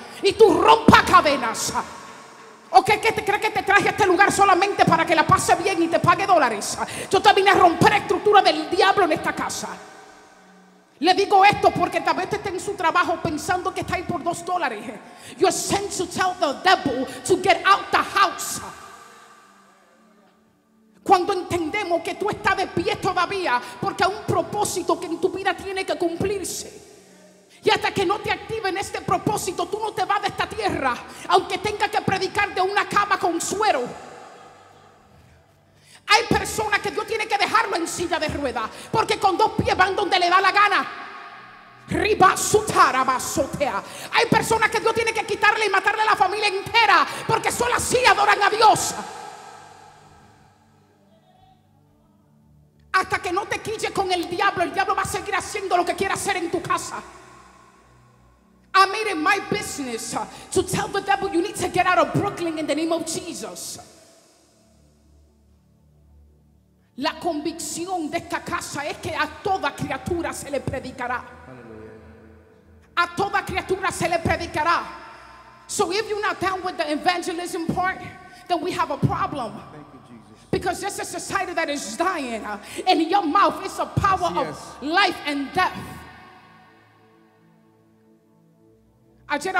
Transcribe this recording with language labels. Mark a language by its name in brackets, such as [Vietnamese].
[Spanish] Y tú rompa cadenas. ¿O qué te crees que te traje a este lugar solamente para que la pase bien y te pague dólares? Yo te vine a romper la estructura del diablo en esta casa. Le digo esto porque tal vez esté en su trabajo pensando que está ahí por $2. [English] You're sent to tell the devil to get out the house. [Spanish] Cuando entendemos que tú estás de pie todavía, porque hay un propósito que en tu vida tiene que cumplirse. Y hasta que no te activen este propósito, tú no te vas de esta tierra, aunque tenga que predicar de una cama con suero. Hay personas que Dios tiene que dejarlo en silla de ruedas, porque con dos pies van donde le da la gana. Hay personas que Dios tiene que quitarle y matarle a la familia entera, porque solo así adoran a Dios. Hasta que no te quilles con el diablo va a seguir haciendo lo que quiera hacer en tu casa. [English] I made it my business to tell the devil you need to get out of Brooklyn in the name of Jesus. [Spanish] La convicción de esta casa es que a toda criatura se le predicará. A toda criatura se le predicará. [English] So if you're not down with the evangelism part, then we have a problem. Because this is a society that is dying. And in your mouth is a power of life and death. I did a